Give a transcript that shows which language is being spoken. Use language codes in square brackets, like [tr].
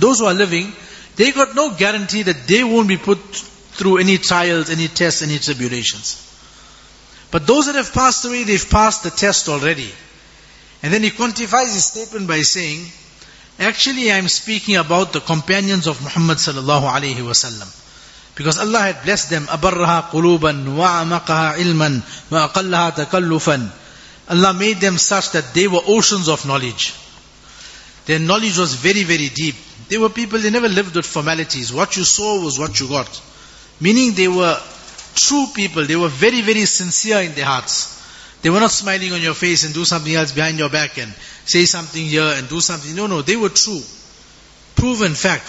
[en] Those who are living, they got no guarantee that they won't be put through any trials, any tests, any tribulations. But those that have passed away, they've passed the test already. And then he quantifies his statement by saying, actually, I'm speaking about the companions of Muhammad sallallahu alayhi wa sallam. Because Allah had blessed them, [ar] أَبَرَّهَا قُلُوبًا وَعَمَقَهَا عِلْمًا وَأَقَلَّهَا تَكَلُّفًا. [en] Allah made them such that they were oceans of knowledge. Their knowledge was very, very deep. They were people, they never lived with formalities. What you saw was what you got. Meaning they were true people. They were very, very sincere in their hearts. They were not smiling on your face and do something else behind your back and say something here and do something. No, no, they were true. Proven fact.